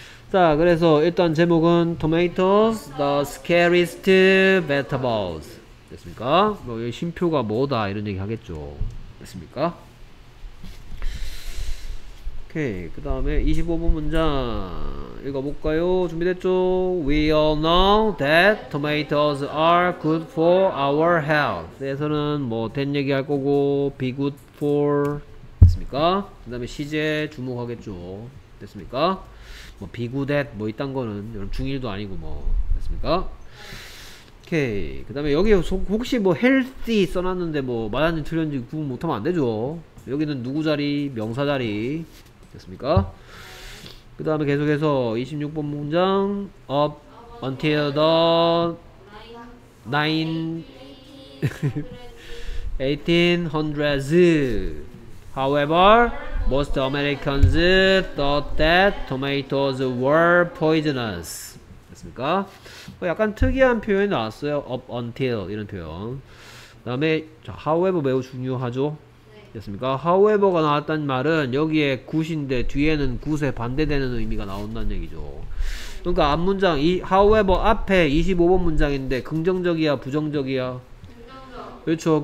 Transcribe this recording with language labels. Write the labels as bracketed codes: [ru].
[ko] 자, 그래서 일단 제목은 Tomatoes, the scariest vegetables. 됐습니까? 뭐 이 쉼표가 뭐다 이런 얘기 하겠죠. 됐습니까? 오케이. 그 다음에 25번 문장 읽어볼까요? 준비됐죠? [en] We all know that tomatoes are good for our health. [ko] 에서는 뭐 된 얘기 할 거고 be good for 됐습니까? 그 다음에 시제 주목하겠죠. 됐습니까? 뭐 be good at 뭐 이딴 거는 여러분 중1도 아니고 뭐 됐습니까? 오케이. 그 다음에 여기 혹시 뭐 healthy 써놨는데 뭐 맞았는지 틀렸는지 구분 못하면 안 되죠. 여기는 누구 자리? 명사 자리. 됐습니까? 그 다음에 계속해서 26번 문장 up until the 1800s. [en] However, most Americans thought that tomatoes were poisonous. [ko] 됐습니까? 뭐 약간 특이한 표현이 나왔어요. Up until 이런 표현. 그 다음에 however 매우 중요하죠. 됐습니까? However가 나왔단 말은 여기에 굿인데 뒤에는 굿에 반대되는 의미가 나온다는 얘기죠. 그러니까 앞 문장, 이 however 앞에 25번 문장인데 긍정적이야 부정적이야? 그렇죠.